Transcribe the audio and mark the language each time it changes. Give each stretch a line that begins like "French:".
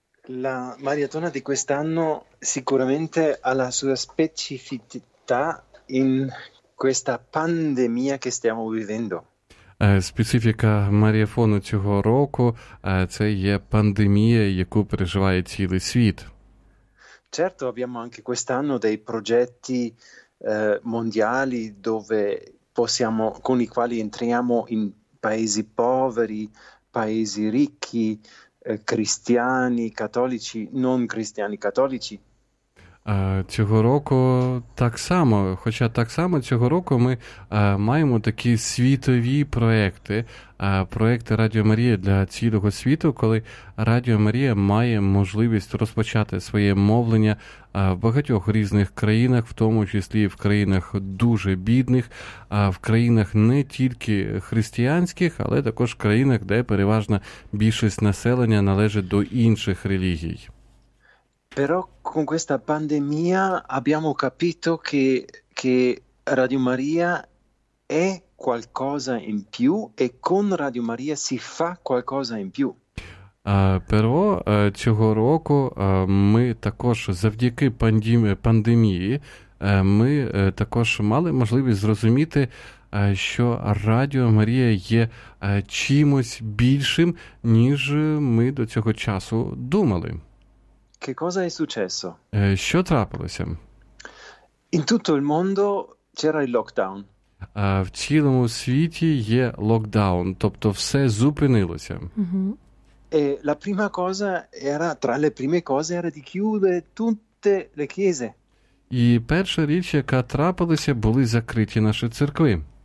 Italian: La maratona di quest'anno sicuramente ha la sua specificità in questa pandemia che stiamo vivendo.
Ukrainian: Специфіка маріафону цього року – це є пандемія, яку переживає цілий світ.
Italian: Certo, abbiamo anche quest'anno dei progetti mondiali dove possiamo, con i quali entriamo in paesi poveri, paesi ricchi, cristiani, cattolici, non cristiani, cattolici.
Ukrainian: Цього року так само, хоча так само цього року ми маємо такі світові проекти, проекти Радіо Марія для цілого світу, коли Радіо Марія має можливість розпочати своє мовлення в багатьох різних країнах, в тому числі в країнах дуже бідних, в країнах не тільки християнських, але також в країнах, де переважна більшість населення належить до інших релігій.
Italian: Però con questa pandemia abbiamo capito che Radio Maria è qualcosa in più e con Radio Maria si fa qualcosa in più. Però
Ukrainian: цього року ми також завдяки пандемії ми також мали можливість зрозуміти, що Радіо Марія є чимось більшим, ніж ми до цього часу думали.
Italian: Che cosa è successo?
Ukrainian: Що трапилося?
Italian: In tutto il mondo c'era il lockdown.
Ukrainian: В цілому світі є локдаун, тобто все зупинилося.
Italian: E la prima cosa era, tra le prime cose, era di chiudere tutte le chiese.
Ukrainian: І перша річ, яка трапилася, були закриті наші церкви.